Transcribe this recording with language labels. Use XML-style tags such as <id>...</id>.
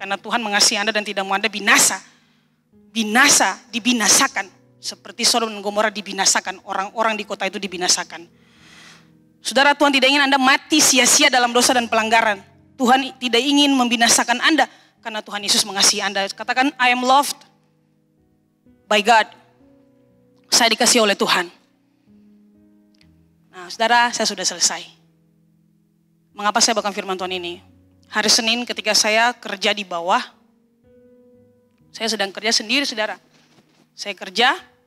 <id>Karena Tuhan mengasihi Anda dan tidak mau Anda binasa. Binasa, dibinasakan. Seperti Sodom dan Gomora dibinasakan. Orang-orang di kota itu dibinasakan. Saudara, Tuhan tidak ingin Anda mati sia-sia dalam dosa dan pelanggaran. Tuhan tidak ingin membinasakan Anda. Karena Tuhan Yesus mengasihi Anda. Katakan,</id> <en>I am loved by God.</en> <id>Saya dikasihi oleh Tuhan. Nah, saudara, saya sudah selesai. Mengapa saya bawakan firman Tuhan ini? Hari Senin ketika saya kerja di bawah, saya sedang kerja sendiri, saudara. Saya kerja.</id>